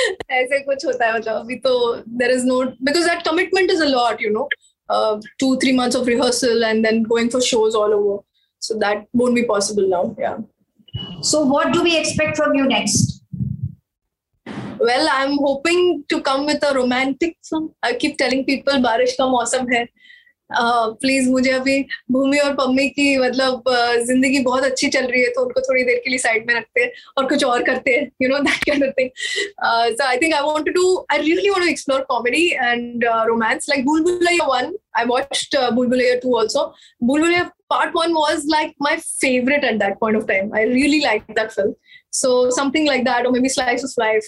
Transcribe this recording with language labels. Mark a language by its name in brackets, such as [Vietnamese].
[Hindi] Aise kuch hota hai, abhi to [English] there is no, because that commitment is a lot, you know, 2-3 months of rehearsal and then going for shows all over. So that won't be possible now. Yeah. So what do we expect from you next? Well, I'm hoping to come with a romantic film. I keep telling people, [Hindi] barish ka mausam hai. Please, मुझे अभी भूमि और पम्मी की मतलब जिंदगी बहुत अच्छी चल रही है तो उनको थोड़ी देर के लिए साइड में रखते हैं और कुछ और करते हैं, [English] you know, that kind of thing. So I think I want to do, I really want to explore comedy and romance. Like Bulbulaiya 1, I watched Bulbulaiya 2 also. Bulbulaiya Part 1 was like my favorite at that point of time. I really liked that film. So something like that, or maybe Slice of Life.